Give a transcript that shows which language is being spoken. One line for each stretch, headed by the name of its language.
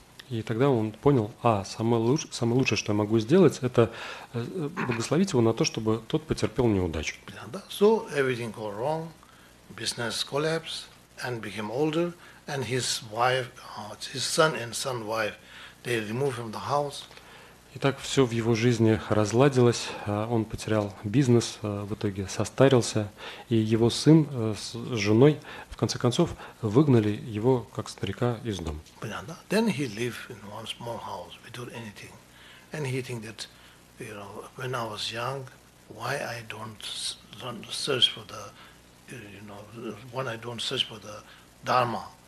Russian: И тогда он понял, самое лучшее, что я могу сделать, это благословить его на то, чтобы тот потерпел неудачу.
English: So everything go wrong, business collapse, and became older, and his wife, his son and son-wife, they removed from the house.
Russian: И Итак, все в его жизни разладилось, он потерял бизнес, в итоге состарился, и его сын с женой, в конце концов, выгнали его, как старика, из дома.
English: Then he lived in one small house without anything. And he think that, you know, when I was young, why I don't search for the, you know, when I don't search for the Dharma.